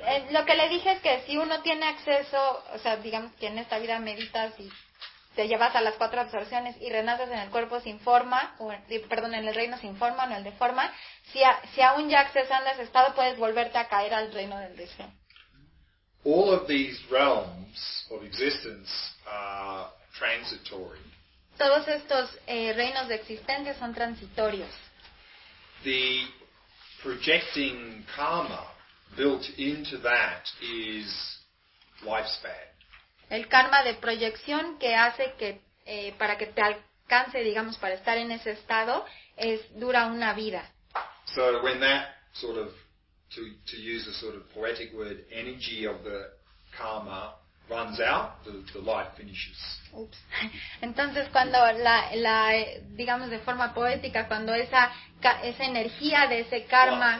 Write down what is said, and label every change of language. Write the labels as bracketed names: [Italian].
[Spanish] Lo que le dije es que si uno tiene acceso, o sea, digamos que en esta vida meditas y te llevas a las cuatro absorciones y renaces en el cuerpo sin forma, en el reino sin forma, no el de forma, si aún ya accesando ese estado, puedes volverte a caer al reino del deseo. [English] All of these realms of existence are transitory. [Spanish] Todos estos reinos de existencia son transitorios. [English] The projecting karma built into that is lifespan. [Spanish] El karma de proyección que hace que para que te alcance, digamos, para estar en ese estado, es dura una vida. [English] So when that sort of, to use a sort of poetic word, energy of the karma runs out, the life finishes. Oops. [Spanish] Entonces cuando la digamos de forma poética, cuando esa energía de ese karma.